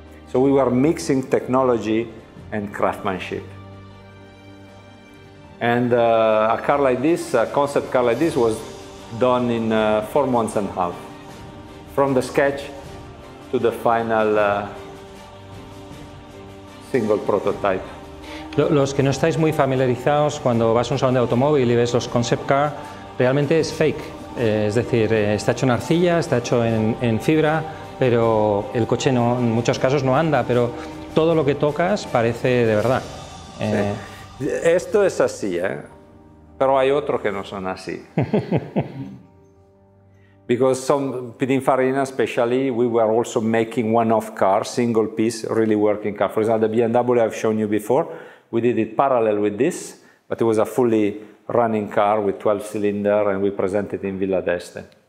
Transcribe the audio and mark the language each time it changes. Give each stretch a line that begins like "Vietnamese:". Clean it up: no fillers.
English: So we were mixing technology and craftsmanship. And a car like this, a concept car like this, was done in 4 months and a half, from the sketch to the final single prototype.
Spanish: Los que no estáis muy familiarizados, cuando vas a un salón de automóvil y ves los concept car, realmente es fake. Es decir, está hecho en arcilla, está hecho en fibra, pero el coche no, en muchos casos no anda, pero todo lo que tocas parece de verdad. Sí. Esto es así, pero hay otros que no son así.
English: Because some Pininfarina, especially, we were also making one-off cars, single piece, really working car. For example, the BMW I've shown you before, we did it parallel with this, but it was a fully running car with 12 cylinder, and we presented it in Villa d'Este.